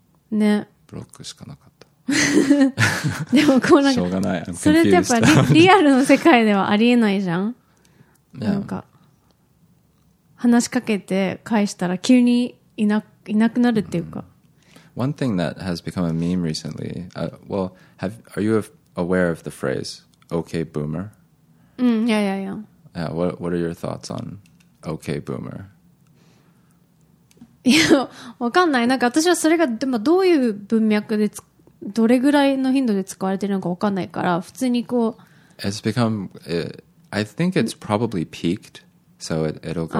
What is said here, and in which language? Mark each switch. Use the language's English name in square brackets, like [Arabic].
[Japanese] ね、ブロックしかなかったでもこうなんかしょうがない、それってやっぱ リアルの世界ではありえないじゃん、 [English] yeah. [Japanese] なんか話しかけて返したら急にいなくなるっていうか、 [English] mm-hmm. One thing that has become a meme recently、well, are you aware of the phrase OK Boomer? うん、yeah, yeah, yeah. Yeah, what are your thoughts on OK Boomer? [Japanese] いや、わかんない。なんか私はそれが、でもどういう文脈で、どれぐらいの頻度で使われてるのかわかんないから、普通にこう。 [English] It's become, I think it's probably peaked, so it'll go down.